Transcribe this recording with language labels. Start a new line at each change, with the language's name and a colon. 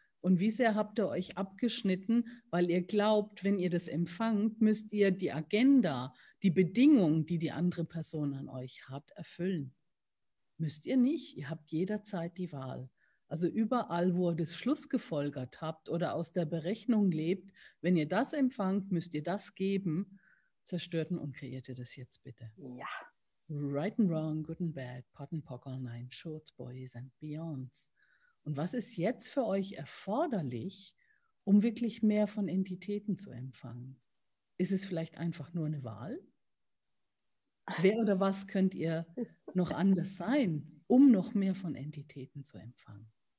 German: Und wie sehr habt ihr euch abgeschnitten, weil ihr glaubt, wenn ihr das empfangt, müsst ihr die Agenda, die Bedingungen, die die andere Person an euch hat, erfüllen. Müsst ihr nicht, ihr habt jederzeit die Wahl. Also überall, wo ihr das Schluss gefolgert habt oder aus der Berechnung lebt, wenn ihr das empfangt, müsst ihr das geben, zerstörten und kreiert ihr das jetzt bitte. Ja.
English: Right and wrong, good and bad, pot and pock, all nine, shorts, boys and beyonds.
German: Und was ist jetzt für euch erforderlich, um wirklich mehr von Entitäten zu empfangen? Ist es vielleicht einfach nur eine Wahl? Wer oder was könnt ihr noch anders sein, um noch mehr von Entitäten zu empfangen?